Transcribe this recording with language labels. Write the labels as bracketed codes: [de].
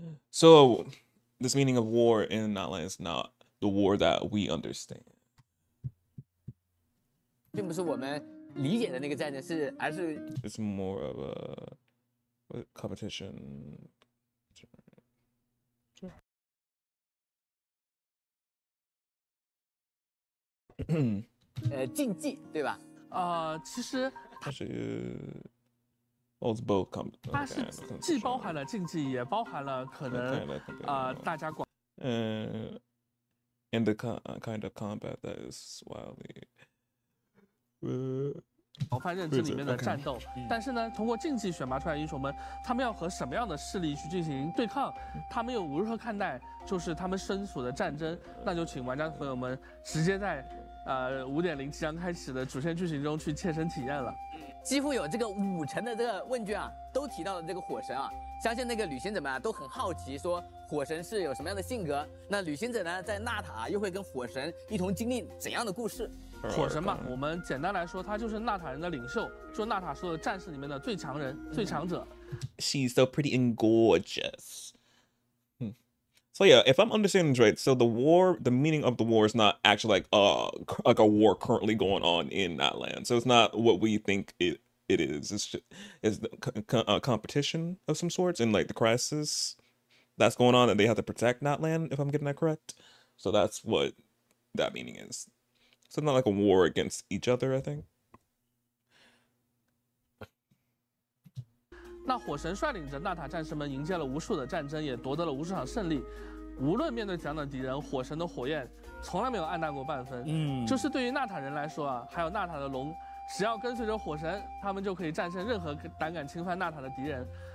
[en] So this meaning of war in Natland is not the war that we understand. [zh] 并不是我们理解的那个战争，是而是 [en] It's more of a competition. Sure. [zh] 竞技，对吧？其实它是 [en] ，it's both come， [zh] 它是既包含了竞技，也包含了可能大家广， [en] and the kind of combat that is wildly [zh] 广泛认知里面的战斗。 [en] Okay. [zh] 但是呢，通过竞技选拔出来英雄们，他们要和什么样的势力去进行对抗？他们又如何看待就是他们身处的战争？那就请玩家朋友们直接在。 5.0 即将开始的主线剧情中去切身体验了，几乎有这个五成的这个问卷啊，都提到了这个火神啊，相信那个旅行者们啊都很好奇，说火神是有什么样的性格？那旅行者呢，在纳塔又会跟火神一同经历怎样的故事？火神嘛，我们简单来说，他就是纳塔人的领袖，就是纳塔所有战士里面的最强人、最强者。 [en] She's so pretty and gorgeous. So yeah, if I'm understanding this right, so the war, the meaning of the war is not actually like a war currently going on in that land. So it's not what we think it is. It's just it's a competition of some sorts and like the crisis that's going on and they have to protect that land, if I'm getting that correct. So that's what that meaning is. So not like a war against each other, I think. [zh] 那火神率领着纳塔战士们迎接了无数的战争，也夺得了无数场胜利。无论面对怎样的敌人，火神的火焰从来没有暗淡过半分。就是对于纳塔人来说啊，还有纳塔的龙，只要跟随着火神，他们就可以战胜任何胆敢侵犯纳塔的敌人。